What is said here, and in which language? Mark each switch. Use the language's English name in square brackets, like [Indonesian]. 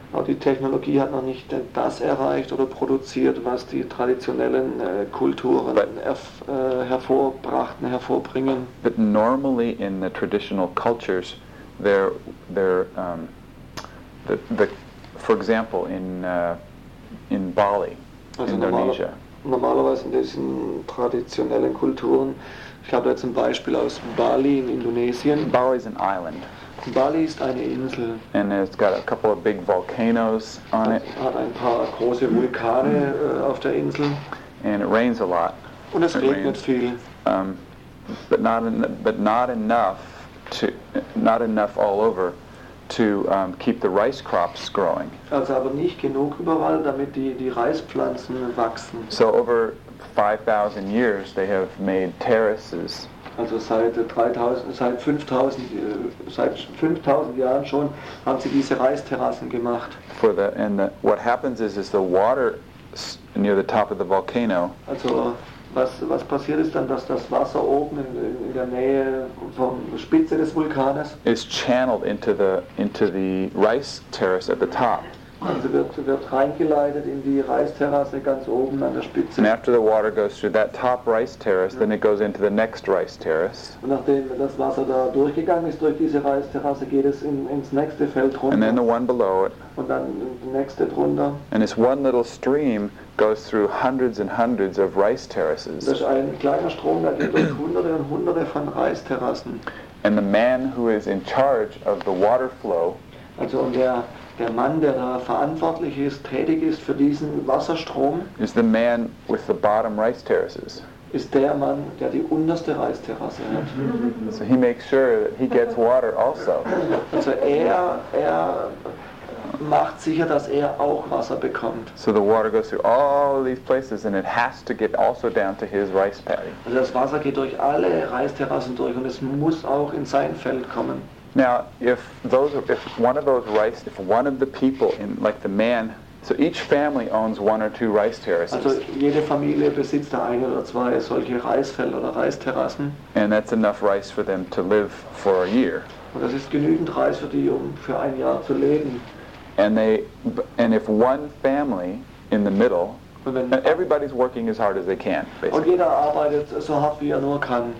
[German] Aber die Technologie hat noch nicht das erreicht oder produziert, was die traditionellen Kulturen hervorbringen. [English] But normally in the traditional cultures, for example, in Bali, also Indonesia. [German] Normalerweise in diesen traditionellen Kulturen, ich habe jetzt ein Beispiel aus Bali in Indonesien. [English] Bali is an island. [German] Bali ist eine Insel. [English] And it's got a couple of big volcanoes on it. [German] Hat ein paar große Vulkane auf der Insel. [English] And it rains a lot. [German] Und es regnet viel. [English] But not enough all over to keep the rice crops growing. [German] Also aber nicht genug überall, damit die Reispflanzen wachsen. [English] So over 5,000 years they have made terraces. [German] Also seit 5000 Jahren schon haben sie diese Reisterrassen gemacht. [English] What happens is the water near the top of the volcano. [German] Also was passiert ist dann, dass das Wasser oben in der Nähe vom Spitze des Vulkanes [English] is channeled into the rice terrace at the top. [German] Also wird reingeleitet in die Reisterrasse ganz oben an der Spitze. [English] And after the water goes through that top rice terrace, then it goes into the next rice terrace. [German] Und nachdem das Wasser da durchgegangen ist durch diese Reisterrasse, geht es ins nächste Feld runter. [English] And then the one below it. [German] Und dann die nächste drunter. [English] And it's one little stream goes through hundreds and hundreds of rice terraces. [German] Das ist ein kleiner Strom, der geht durch hunderte und hunderte von Reisterrassen. [English] And the man who is in charge of the water flow. [German] Also und der Mann, der da verantwortlich ist, tätig ist für diesen Wasserstrom, [English] is the man with the bottom rice terraces. [German] Ist der Mann, der die unterste Reisterrasse hat. [English] So he makes sure that he gets water also. [German] Also er macht sicher, dass er auch Wasser bekommt. [English] So the water goes through all these places and it has to get also down to his rice paddy. [German] Also das Wasser geht durch alle Reisterrassen durch und es muss auch in sein Feld kommen. [English] Now, if one of the people in, like the man, so each family owns one or two rice terraces. [German] Also jede Familie besitzt da eine oder zwei solche Reisfelder oder Reisterrassen. [English] And that's enough rice for them to live for a year. [German] Und das ist genügend Reis für die, um für ein Jahr zu leben. [English] And if one family in the middle, and everybody's working as hard as they can, basically. [German] Und jeder arbeitet so hart wie er nur kann.